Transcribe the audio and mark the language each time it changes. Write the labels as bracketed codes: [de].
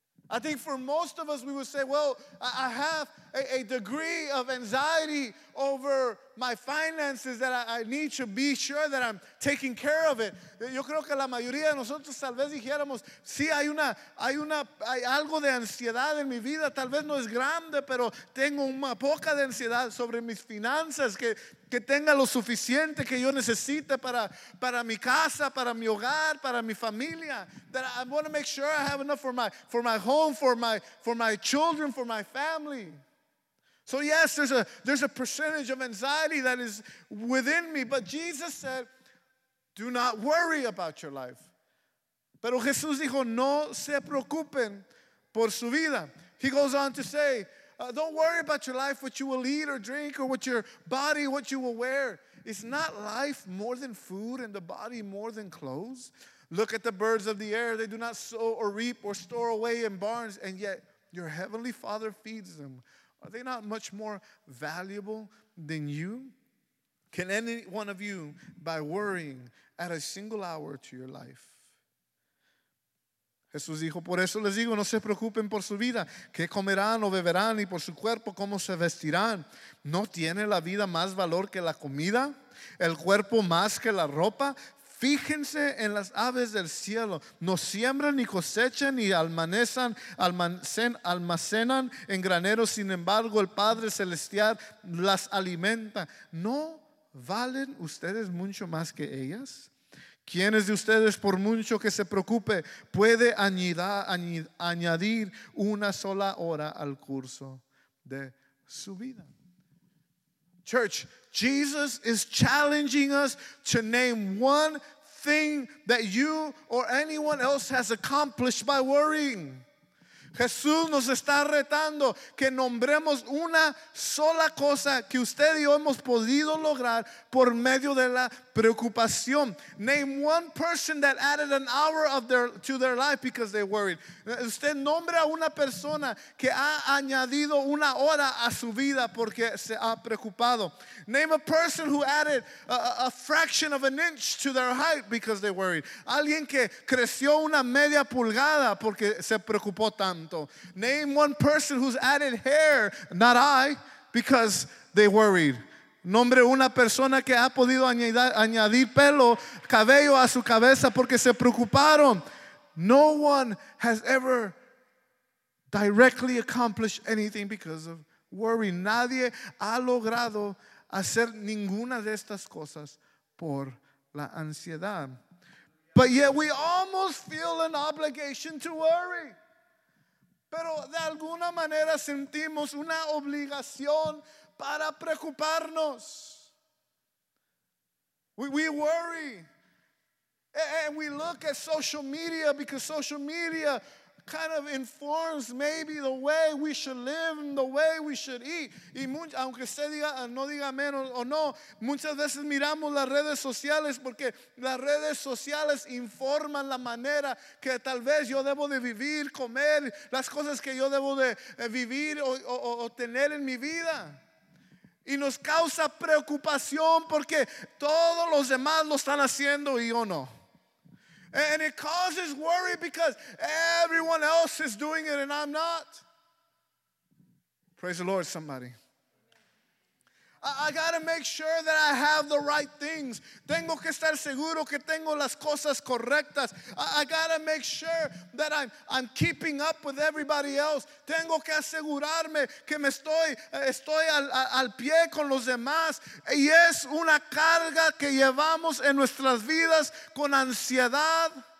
[en] I think for most of us, we would say, well, I have a degree of anxiety over my finances that I need to be sure that I'm taking care of it. [es] Yo creo que la mayoría de nosotros tal vez dijéramos, sí, hay algo de ansiedad en mi vida. Tal vez no es grande, pero tengo una poca de ansiedad sobre mis finanzas, que tenga lo suficiente que yo necesite para mi casa, para mi hogar, para mi familia. [en] That I want to make sure I have enough for my home, for my children, for my family. So yes, there's a percentage of anxiety that is within me. But Jesus said, do not worry about your life. [es] Pero Jesús dijo, no se preocupen por su vida. [en] He goes on to say, don't worry about your life, what you will eat or drink, or what your body, what you will wear. Is not life more than food and the body more than clothes? Look at the birds of the air. They do not sow or reap or store away in barns, and yet your heavenly Father feeds them. Are they not much more valuable than you? Can any one of you, by worrying, add a single hour to your life? [es] Jesús dijo, por eso les digo, no se preocupen por su vida. ¿Qué comerán o beberán? Y por su cuerpo, ¿cómo se vestirán? ¿No tiene la vida más valor que la comida? ¿El cuerpo más que la ropa? Fíjense en las aves del cielo, no siembran ni cosechan ni almacenan en graneros, sin embargo el Padre Celestial las alimenta. ¿No valen ustedes mucho más que ellas? ¿Quiénes de ustedes, por mucho que se preocupe, puede añadir una sola hora al curso de su vida? [en] Church, Jesus is challenging us to name one thing that you or anyone else has accomplished by worrying. [es] Jesús nos está retando que nombremos una sola cosa que usted y yo hemos podido lograr por medio de la preocupación. [en] Name one person that added an hour to their life because they worried. [es] Usted nombra a una persona que ha añadido una hora a su vida porque se ha preocupado. [en] Name a person who added a fraction of an inch to their height because they worried. [es] Alguien que creció una media pulgada porque se preocupó tanto. [en] Name one person who's added hair, not I, because they worried. [es] Nombre una persona que ha podido añadir pelo, cabello a su cabeza porque se preocuparon. [en] No one has ever directly accomplished anything because of worry. [es] Nadie ha logrado hacer ninguna de estas cosas por la ansiedad. [en] But yet we almost feel an obligation to worry. [es] Pero de alguna manera sentimos una obligación para preocuparnos. [en] We worry. And we look at social media because social media kind of informs maybe the way we should live and the way we should eat. [es] Y aunque usted diga, no diga menos o no, muchas veces miramos las redes sociales porque las redes sociales informan la manera que tal vez yo debo de vivir, comer, las cosas que yo debo de vivir o tener en mi vida. Y nos causa preocupación porque todos los demás lo están haciendo y yo no. [en] And it causes worry because everyone else is doing it and I'm not. Praise the Lord, somebody. I got to make sure that I have the right things. [es] Tengo que estar seguro que tengo las cosas correctas. [en] I got to make sure that I'm keeping up with everybody else. [es] Tengo que asegurarme que me estoy al pie con los demás. Y es una carga que llevamos en nuestras vidas con ansiedad.